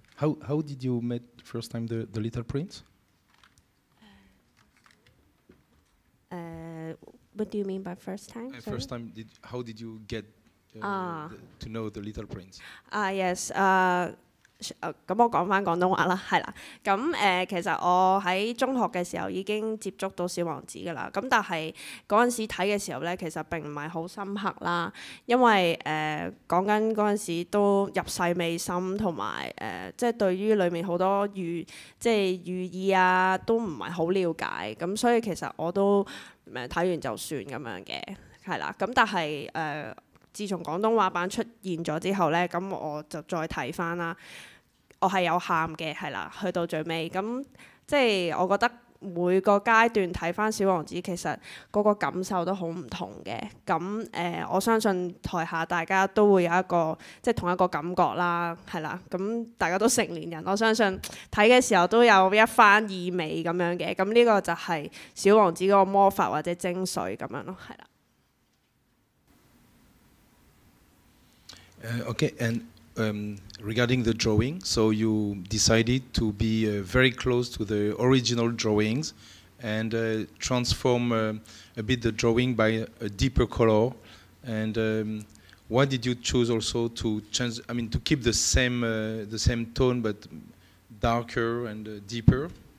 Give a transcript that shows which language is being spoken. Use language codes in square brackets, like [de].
[en] How did you meet first time the little prince? What do you mean by first time? First time, how did you get to know the little prince? Yes. [yue] 咁我講翻廣東話啦，係啦。咁其實我喺中學嘅時候已經接觸到小王子噶啦。咁但係嗰陣時睇嘅時候咧，其實並唔係好深刻啦，因為講緊嗰陣時都入世未深，同埋即係對於裡面好多寓意啊，都唔係好了解。咁所以其實我都睇完就算咁樣嘅，係啦。咁但係自從廣東話版出現咗之後咧，咁我就再睇翻啦。我係有喊嘅，係啦，去到最尾咁，即係我覺得每個階段睇翻小王子，其實嗰個感受都好唔同嘅。咁我相信台下大家都會有一個即係同一個感覺啦，係啦。咁大家都成年人，我相信睇嘅時候都有一番意味咁樣嘅。咁呢個就係小王子嗰個魔法或者精髓咁樣咯，係啦。 [en] Okay, and regarding the drawing, so you decided to be very close to the original drawings and transform a bit the drawing by a deeper color. And why did you choose also to change, I mean, to keep the same tone but darker and deeper?